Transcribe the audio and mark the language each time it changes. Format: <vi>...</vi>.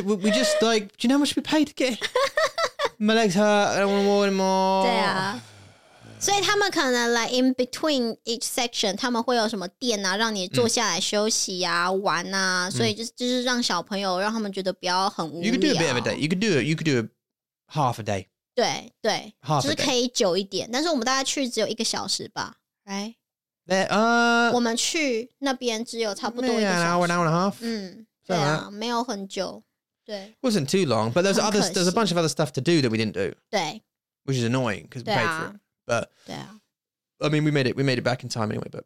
<en>We just like, do you know how much we paid to get? My legs hurt, I don't wanna walk anymore.</en> <zh>对啊所以他们可能</zh> <en>like in between each section</en> <zh>他们会有什么店啊让你坐下来休息啊玩啊所以就是让小朋友让他们觉得不要很无聊</zh> <en>You could do a bit of a day You could do a half a day</en> <zh>对</zh> <en>half</en> <zh>就是可以久一点但是我们大概去只有一个小时吧</zh> <en>Right There,</en> <zh>我们去那边只有差不多一个小时</zh> <en>An hour and a half</en> <zh>对啊、</zh> <en>right.</en> <zh>没有很久对</zh> <en>Wasn't too long But there's a bunch of other stuff to do that we didn't do</en> <zh>对</zh> <en>Which is annoying Because we paid for itBut, yeah. I mean, we made it back in time anyway, but...</en>